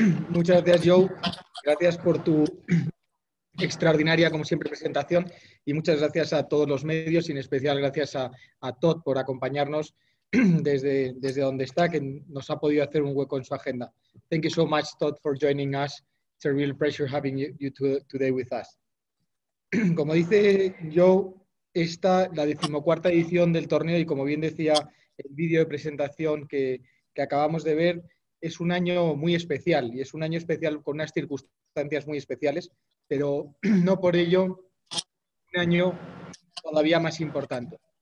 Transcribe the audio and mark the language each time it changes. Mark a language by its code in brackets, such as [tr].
[es] Muchas gracias, Joe. Gracias por tu extraordinaria, como siempre, presentación. Y muchas gracias a todos los medios y en especial gracias a Todd por acompañarnos desde donde está, que nos ha podido hacer un hueco en su agenda. [en] Thank you so much, Todd, for joining us. It's a real pleasure having you today with us. [es] Como dice Joe, esta es la 14ª edición del torneo y, como bien decía el vídeo de presentación que acabamos de ver, es un año muy especial y es un año especial con unas circunstancias muy especiales, pero no por ello un año todavía más importante.